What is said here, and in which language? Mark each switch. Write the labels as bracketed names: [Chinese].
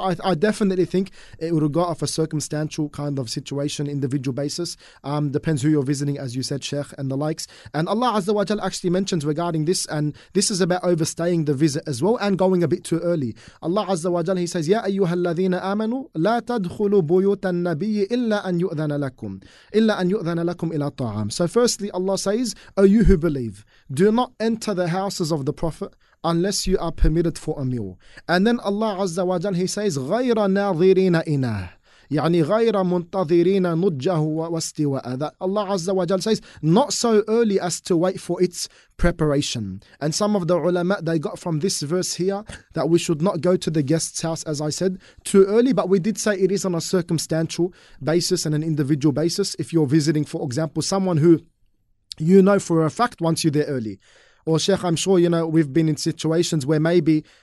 [English] So I definitely think it would go off a circumstantial kind of situation, individual basis. Depends who you're visiting, as you said, Sheikh, and the likes. And Allah Azza wa Jal actually mentions regarding this, and this is about overstaying the visit as well and going a bit too early. Allah Azza wa Jal, He says, [Arabic] Ya ayyuhal ladhina amanu, لا تدخلوا بيوت النبي إلا أن يؤذن لكم إلا أن يؤذن لكم إلى الطعام. [English] So firstly, Allah says, O you who believe, do not enter the houses of the Prophet unless you are permitted for a meal. And then Allah Azza wa Jal, He says, [Arabic] غير ناظرين إناه يعني غير منتظرين نجه واستواء. [English] That Allah Azza wa Jal says, not so early as to wait for its preparation. And some of the ulama, they got from this verse here that we should not go to the guest's house, as I said, too early. But we did say it is on a circumstantial basis and an individual basis. If you're visiting, for example, someone who you know for a fact wants you there early. Or Sheikh, I'm sure, you know, we've been in situations where maybe